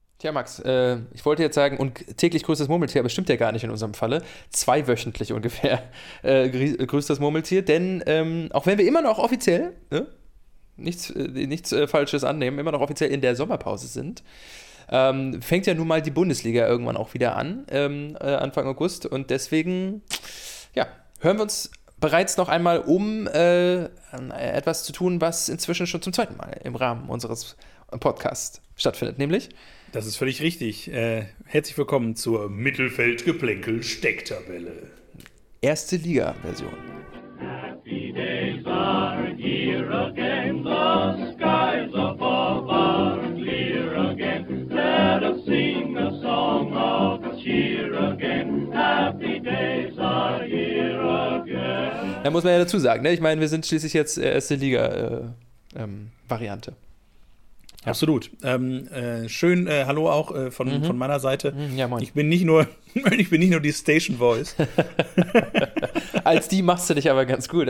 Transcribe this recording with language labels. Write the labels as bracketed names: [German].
[German] Tja, Max, ich wollte jetzt sagen, und täglich grüßt das Murmeltier, bestimmt ja gar nicht in unserem Falle, zweiwöchentlich ungefähr grüßt das Murmeltier, denn auch wenn wir immer noch offiziell, ne, nichts Falsches annehmen, immer noch offiziell in der Sommerpause sind, fängt ja nun mal die Bundesliga irgendwann auch wieder an, Anfang August, und deswegen, ja, hören wir uns bereits noch einmal um, etwas zu tun, was inzwischen schon zum zweiten Mal im Rahmen unseres Podcasts stattfindet, nämlich. Das ist völlig richtig. Herzlich willkommen zur Mittelfeldgeplänkel-Stecktabelle. Erste Liga-Version. [English] Happy days are here again, the skies above are clear again. Let us sing a song of cheer again. Happy days are here again. [German] Da muss man ja dazu sagen, ne? Ich meine, wir sind schließlich jetzt erste Liga-Variante. Absolut. Schön, hallo auch von meiner Seite. Ich bin nicht nur, ich bin nicht nur die Station Voice. Als die machst du dich aber ganz gut.